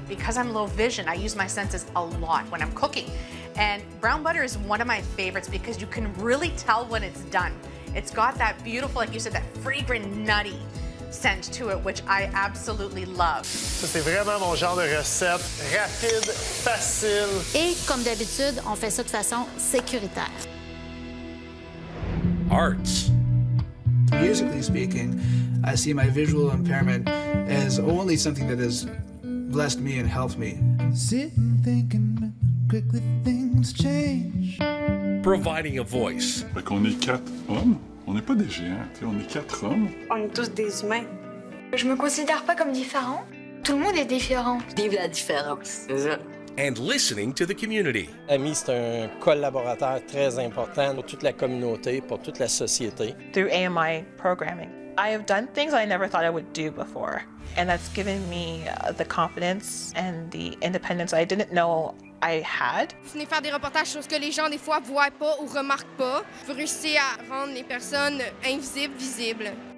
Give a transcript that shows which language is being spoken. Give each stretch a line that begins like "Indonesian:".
English: Because I'm low vision, I use my senses a lot when I'm cooking. And brown butter is one of my favorites because you can really tell when it's done. It's got that beautiful, like you said, that fragrant, nutty scent to it, which I absolutely love.
French: Ça, c'est vraiment mon genre de recette. Rapide, facile. Et comme d'habitude, on fait ça de façon sécuritaire.
English: Arts. musically speaking, I see my visual impairment as only something that has blessed me and helped me. Sitting thinking quickly things change. Providing a voice.
French: Fait qu'on est quatre hommes, on n'est pas des géants, t'sais, on est quatre hommes. On est tous des humains. Je me considère pas comme différent. Tout le monde est différent. Vive la différence. C'est ça.
English: And listening to the community.
French: AMI, c'est un collaborateur très important pour toute la communauté, pour toute la société.
English: Through AMI programming, I have done things I never thought I would do before. And that's given me the confidence and the independence I didn't know I had.
French: Venir faire des reportages, choses que les gens des fois voient pas ou remarquent pas. Vous réussissez à rendre les personnes invisibles visibles.